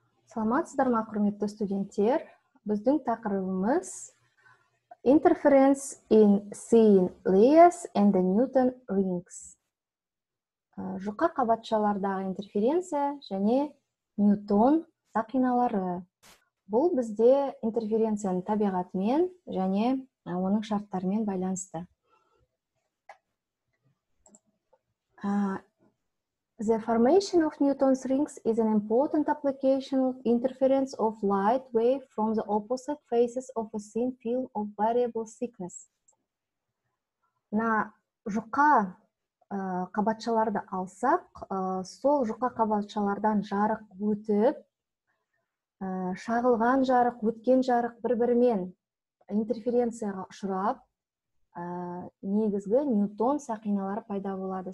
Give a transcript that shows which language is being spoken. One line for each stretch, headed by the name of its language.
Kazakh: Саламатсыздар ма, құрметті студенттер. Біздің тақырыбымыз
English: Interference in Seeing Layers and the Newton Rings.
Kazakh: Жұқа қабатшалардағы интерференция және Ньютон сақиналары. Бұл бізде интерференцияның табиғатымен және оның шарттарымен байланысты.
English: The formation of Newton's rings is an important application of interference of light wave from the opposite faces of a thin film of variable thickness.
Kazakh: На жұқа қабатшаларды алсақ, сол жұқа қабатшалардан жарық өтіп, шағылған жарық, өткен жарық бір-бірімен интерференцияға ұшырап, негізгі Ньютон сақиналары пайда болады.